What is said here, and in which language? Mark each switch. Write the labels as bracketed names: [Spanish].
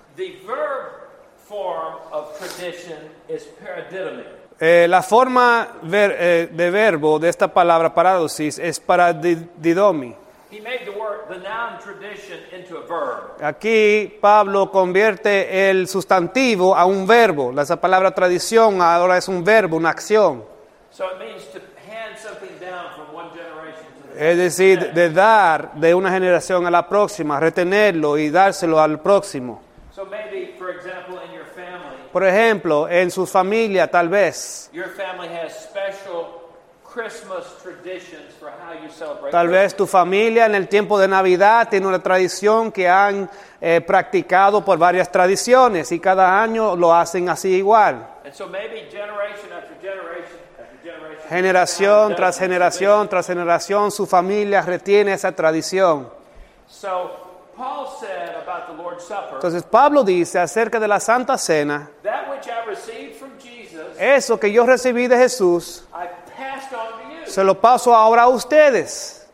[English] The verb form of tradition is paradidomi. [Spanish] La forma de verbo de esta palabra paradosis es paradidomi. [English] He made the word, the noun tradition, into a verb. [Spanish] Aquí Pablo convierte el sustantivo a un verbo. Esa palabra tradición ahora es un verbo, una acción. [English] So it means to hand something down from one generation. [Spanish] Es decir, de dar de una generación a la próxima, retenerlo y dárselo al próximo. [English] So maybe, for example, in your family, [Spanish] por ejemplo, en su familia, tal vez. [English] Your family has special Christmas traditions for how you celebrate Christmas. [Spanish] Tal vez tu familia en el tiempo de Navidad tiene una tradición que han practicado por varias tradiciones y cada año lo hacen así igual. [English] And so maybe generation after generation. [Spanish] Generación tras generación tras generación, su familia retiene esa tradición. [English] So, Paul said about the Lord's Supper, [Spanish] entonces Pablo dice acerca de la Santa Cena, [English] that which I received from Jesus, [Spanish] eso que yo recibí de Jesús, [English] I passed on to you. [Spanish] Se lo paso ahora a ustedes.